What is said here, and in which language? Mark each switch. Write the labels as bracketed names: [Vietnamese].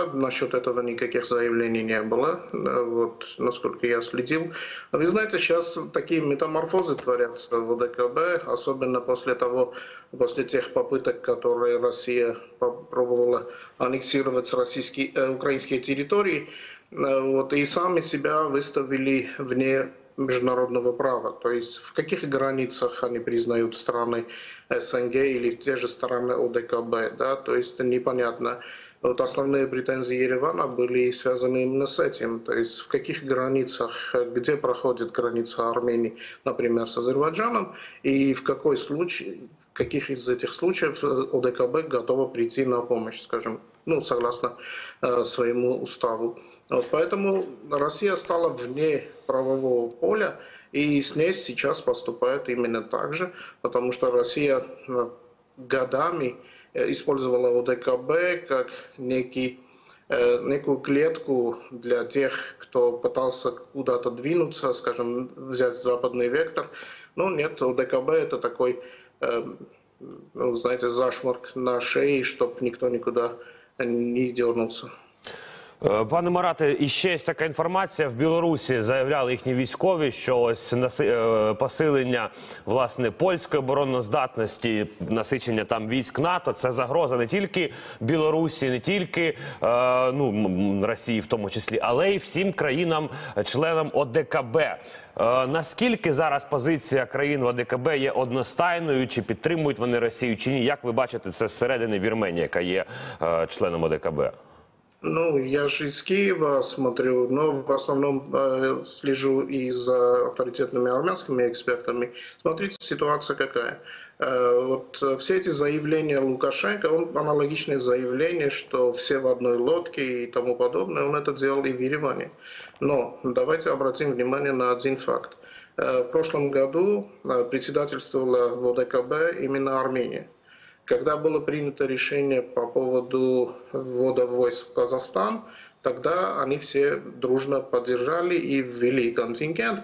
[Ukrainian] Насчет цього ніяких заявлень не було, от, наскільки я слідив. Ви знаєте, зараз такі метаморфози творяться в ОДКБ, особливо після тих попиток, які Росія спробувала анексувати українські території. [Russian] Вот, и сами себя выставили вне международного права. То есть в каких границах они признают страны СНГ или те же страны ОДКБ. Да? То есть непонятно. Вот основные претензии Еревана были связаны именно с этим. То есть в каких границах, где проходит граница Армении, например, с Азербайджаном, и в какой случае, в каких из этих случаев ОДКБ готова прийти на помощь, скажем, ну, согласно своему уставу. Вот поэтому Россия стала вне правового поля, и с ней сейчас поступают именно так же, потому что Россия годами использовала ОДКБ как некую клетку для тех, кто пытался куда-то двинуться, скажем, взять западный вектор. Но нет, ОДКБ это такой, ну, знаете, зашморк на шее, чтобы никто никуда не дернулся. [Ukrainian] Пане Марате, і ще є така інформація, в Білорусі заявляли їхні військові, що ось посилення, власне, польської обороноздатності, насичення там військ НАТО, це загроза не тільки Білорусі, не тільки ну, Росії в тому числі, але й всім країнам-членам ОДКБ. Наскільки зараз позиція країн в ОДКБ є одностайною, чи підтримують вони Росію, чи ні? Як ви бачите, це зсередини Вірменії, яка є членом ОДКБ? Ну, я ж із Києва [Russian] смотрю, но [Ukrainian] в основному сліжу і за авторитетними армянськими експертами. Смотрите, ситуація яка. От всі ці заявлення Лукашенка, он аналогічне заявлення, що всі в одній лодці і тому подобне, він це зробив і в Єревані. [Russian] Но давайте обратимо внимание на один факт. В прошлом году председательствовала в ОДКБ именно Армения. Когда было принято решение по поводу ввода войск в Казахстан, тогда они все дружно поддержали и ввели контингент.